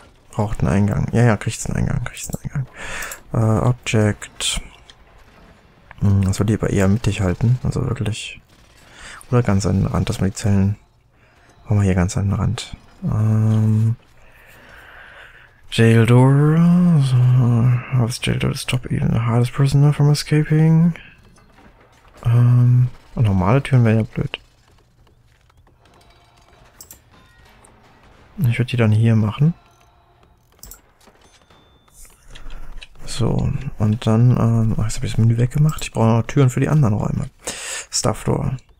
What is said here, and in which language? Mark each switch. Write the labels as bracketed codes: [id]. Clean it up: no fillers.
[de] Braucht einen Eingang. Ja, ja, kriegt's einen Eingang, kriegt's einen Eingang. Object. Das würde ich aber eher mittig halten, also wirklich. Oder ganz an den Rand, dass man die Zellen... Machen wir hier ganz an den Rand. [en] Jail door. So, obviously jail door to stop even the hardest prisoner from escaping. [de] Normale Türen wären ja blöd. Ich würde die dann hier machen. So, und dann, jetzt habe ich das Menü weggemacht. Ich brauche noch Türen für die anderen Räume. Staff Door.